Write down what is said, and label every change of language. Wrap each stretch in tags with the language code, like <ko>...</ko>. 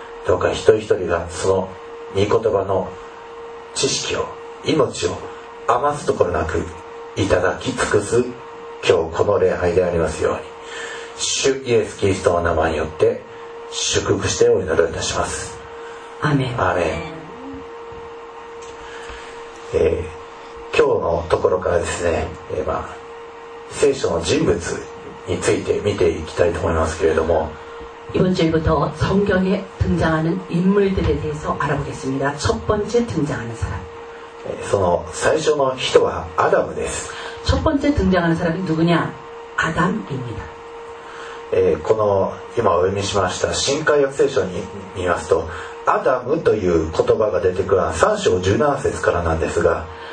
<ja>どうか一人一人がその御言葉の知識を、命を余すところなくいただき尽くす今日この礼拝でありますように、主イエスキリストの名前によって祝福してお祈りいたします。アメン、アメン。今日のところからですね、聖書の人物について見ていきたいと思いますけれども、</ja> <ko>이번주일부터성경에등장하는인물들에대해서알아보겠습니다。 첫번째등장하는사람</ko> <ja>その最初の人はアダムです。</ja> <ko>첫번째등장하는사람이누구냐아담입니다。</ko> <ja>この今お読みしました新改訳聖書に見ますとアダムという言葉が出てくる3章17節からなんですが、</ja>